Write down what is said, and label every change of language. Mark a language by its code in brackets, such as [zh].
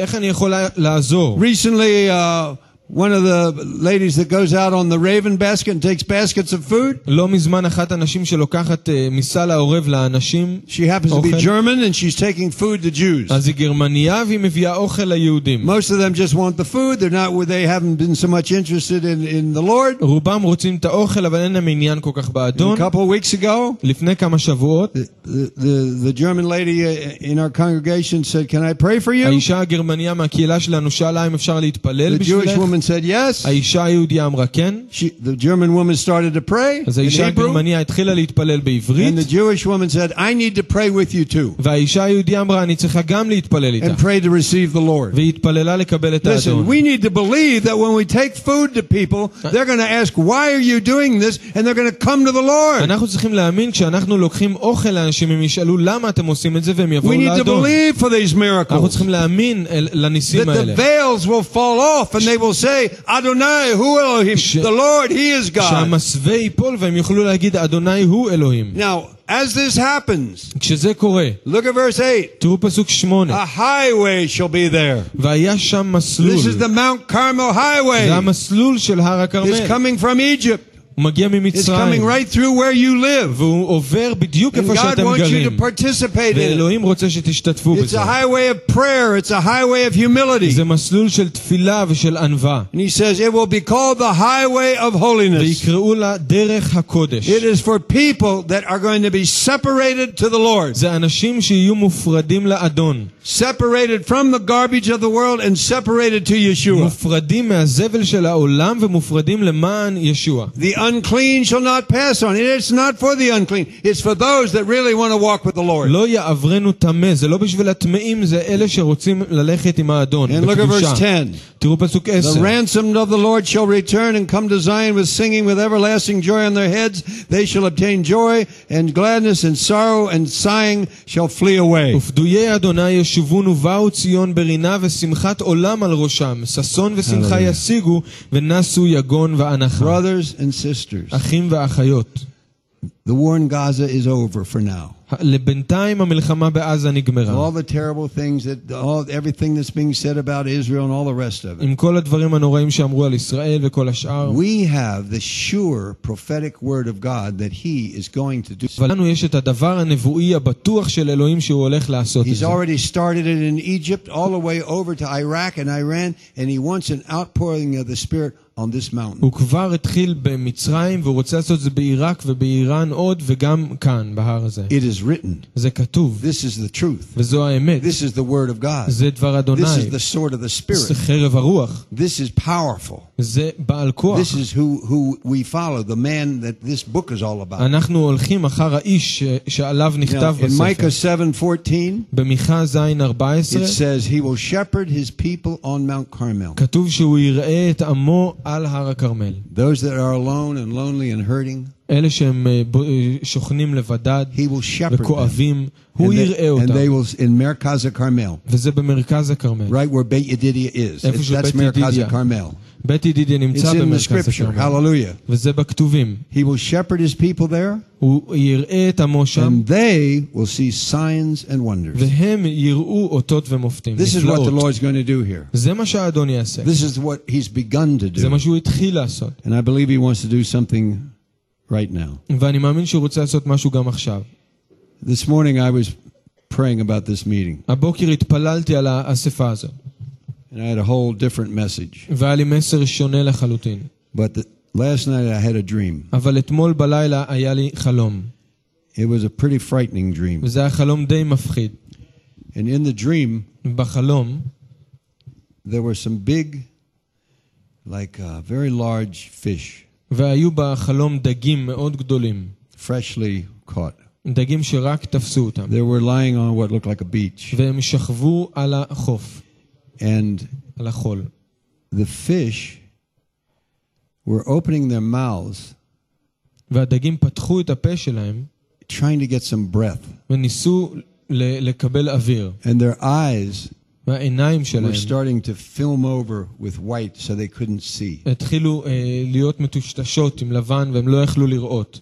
[en] Recently, one of the ladies that goes out on the raven basket and takes baskets of food. [he] לא מזמן אחת הנשים שלוקחת מסל העורב לאנשים. [en] She happens to be German and she's taking food to Jews. [he] אז היא גרמניה והיא מביאה אוכל ליהודים. [en] Most of them just want the food. They're not where they haven't been so much interested in the Lord. [he] רובם רוצים את האוכל אבל אין להם עניין כל כך באדון. [en] A couple weeks ago, [he] לפני כמה שבועות, [en] the German lady in our congregation said, "Can I pray for you?" [he] האישה הגרמניה מהקהילה שלנו שאלה אם אפשר להתפלל בשבילך. [en] The woman said yes. [he] האישה היהודיה אמרה כן. [en] The German woman started to pray. [he] אז האישה הגרמניה התחילה להתפלל בעברית. [en] And the Jewish woman said, "I need to pray with you too." [he] והאישה היהודיה אמרה, "אני צריכה גם להתפלל איתך." [en] And pray to receive the Lord. [he] והתפללה לקבל את האדון. [en] Listen, we need to believe that when we take food to people, they're going to ask, "Why are you doing this?" And they're going to come to the Lord. [he] אנחנו צריכים להאמין שאנחנו לוקחים אוכל לאנשים והם ישאלו למה אתם עושים את זה והם יבואו לאדון. [en] We need to believe for these miracles. [he] אנחנו צריכים להאמין לניסים האלה. [en] That the veils will fall off and they will say [he] Adonai hu Elohim, [en] the Lord he is God. [he] שמסווי פול והם יוכלו להגיד אדוני הוא אלוהים. [en] Now as this happens, [he] כשזה קורה, [en] look at verse 8. [he] תראו פסוק 8. [en] A highway shall be there. [he] והיה שם מסלול. [en] This is the Mount Carmel highway. [he] זה המסלול של הר הכרמל. [en] It's coming from Egypt. [he] מגיע ממצרים. [en] It's coming right through where you live. [he] והוא עובר בדיוק איפה שאתם גרים. [en] God wants you to participate in it. [he] ואלוהים רוצה שתשתתפו בזה. [en] It's a highway of prayer. It's a highway of humility. [he] זה מסלול של תפילה ושל ענווה. [en] And he says it will be called the highway of holiness. [he] ויקראו לה דרך הקודש. [en] It is for people that are going to be separated to the Lord. [he] זה אנשים שיהיו מופרדים לאדון. [en] Separated from the garbage of the world and separated to Yeshua. [he] מופרדים מהזבל של העולם ומופרדים למען ישוע. [en] Unclean shall not pass on. It's not for the unclean. It's for those that really want to walk with the Lord. [he] לא יעברנו טמא. זה לא בשביל הטמאים. זה אלה שרוצים ללכת עם האדון. [en] And look at verse 10. [he] תראו פסוק 10. [en] The ransomed of the Lord shall return and come to Zion with singing, with everlasting joy on their heads. They shall obtain joy and gladness, and sorrow and sighing shall flee away. [he] ופדויי אדוני ישובונו ובאו ציון ברינה ושמחת עולם על ראשם. ששון ושמחה ישיגו ונסו יגון ואנחה. [en] Brothers and sisters, [he] אחים ואחיות, [en] The war in Gaza is over for now. [he] לבינתיים המלחמה בעזה נגמרה. [en] All the terrible things that all everything that's being said about Israel and all the rest of it. [he] עם כל הדברים הנוראים שאמרו על ישראל וכל השאר. [en] We have the sure prophetic word of God that he is going to do. [he] ולנו יש את הדבר הנבואי הבטוח של אלוהים שהוא הולך לעשות את זה. [en] He's already started it in Egypt all the way over to Iraq and Iran and he wants an outpouring of the spirit on this mountain. [he] הוא כבר התחיל במצרים והוא רוצה לעשות את זה בעיראק ובאיראן עוד וגם כאן בהר הזה. [en] It is written. [he] זה כתוב. [en] This is the truth. [he] וזו האמת. [en] This is the word of God. [he] זה דבר אדוני. [en] This is the sword of the spirit. [he] זה חרב הרוח. [en] This is powerful. [he] זה בעל כוח. [en] This is who we follow, the man that this book is all about. [he] אנחנו הולכים אחר האיש שעליו נכתב בספר. [en] In Micah 7:14. [he] במיכה 7:14. [en] It says he will shepherd his people on Mount Carmel. [he] כתוב שהוא יראה את עמו על הר הכרמל. [en] Those that are alone and lonely and hurting. [he] אלה שהם שוכנים לבדד וכואבים, הוא יראה אותם. [en] And they will in מרכז הכרמל. [he] וזה במרכז הכרמל. [en] Right where Beit Yedidiah is. [he] איפה [en] that's מרכז הכרמל. [he] Beit Yedidiah נמצא במרכז הכרמל. [en] Hallelujah. [he] וזה בכתובים. [en] He will shepherd his people there. [he] הוא יראה את עמו שם. [en] And they will see signs and wonders. [he] והם יראו אותות ומופתים. [en] This is what the Lord is going to do here. [he] זה מה שהאדון יעשה. [en] This is what he's begun to do. [he] זה מה שהוא התחיל לעשות. [en] And I believe he wants to do something right now. [he] ואני מאמין שהוא רוצה לעשות משהו גם עכשיו. [en] This morning I was praying about this meeting. [he] הבוקר התפללתי על האספה הזאת. [en] And I had a whole different message. [he] והיה לי מסר שונה לחלוטין. [en] But last night I had a dream. [he] אבל אתמול בלילה היה לי חלום. [en] It was a pretty frightening dream. [he] וזה היה חלום די מפחיד. [en] And in the dream, [he] בחלום, [en] there were some big, like a very large fish. [he] והיו בחלום דגים מאוד גדולים. [en] Freshly caught. [he] דגים שרק תפסו אותם. [en] They were lying on what looked like a beach. [he] והם שכבו על החוף. [en] And [he] על החול. [en] The fish were opening their mouths. [he] והדגים פתחו את הפה שלהם. [en] Trying to get some breath. [he] וניסו לקבל אוויר. [en] And their eyes [he] והעיניים שלהם [en] were starting to film over with white so they couldn't see. [he] התחילו להיות מטושטשות עם לבן והם לא יכלו לראות.